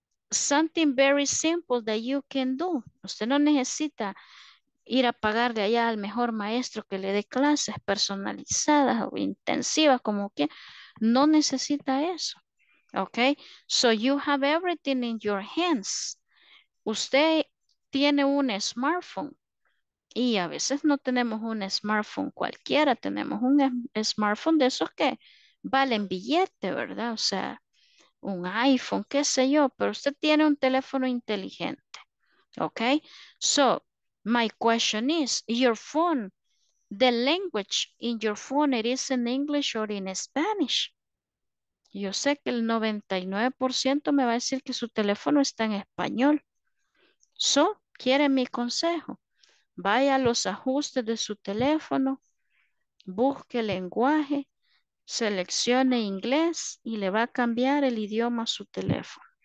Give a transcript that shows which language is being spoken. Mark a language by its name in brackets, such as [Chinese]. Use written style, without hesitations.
[English] Something very simple that you can do. [Spanish] Usted no necesita ir a pagarle allá al mejor maestro que le dé clases personalizadas o intensivas, como que no necesita eso. [English] Ok, so you have everything in your hands. [Spanish] Usted tiene un smartphone y a veces no tenemos un smartphone cualquiera, tenemos un smartphone de esos que valen billete, ¿verdad? O sea, un iPhone, qué sé yo, pero usted tiene un teléfono inteligente. [English] Ok, so my question is, your phone, the language in your phone, it is in English or in Spanish? [Spanish] Yo sé que el 99% me va a decir que su teléfono está en español. So, quiere mi consejo. Vaya a los ajustes de su teléfono, busque lenguaje, seleccione inglés y le va a cambiar el idioma a su teléfono.